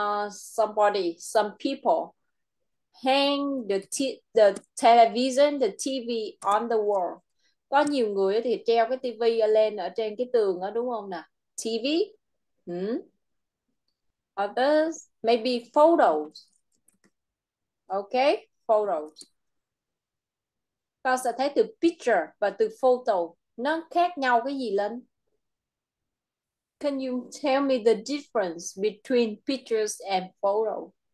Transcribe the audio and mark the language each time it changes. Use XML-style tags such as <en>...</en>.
<en>Somebody, some people hang the television, the TV on the wall.</en> <vi>Có nhiều người thì treo cái TV lên ở trên cái tường đó đúng không nào? TV.</vi> <en>Others, maybe photos. Okay, photos.</en> <vi>Con sẽ thấy từ picture và từ photo nó khác nhau cái gì lên?</vi> <en>Can you tell me the difference between pictures and photo?</en>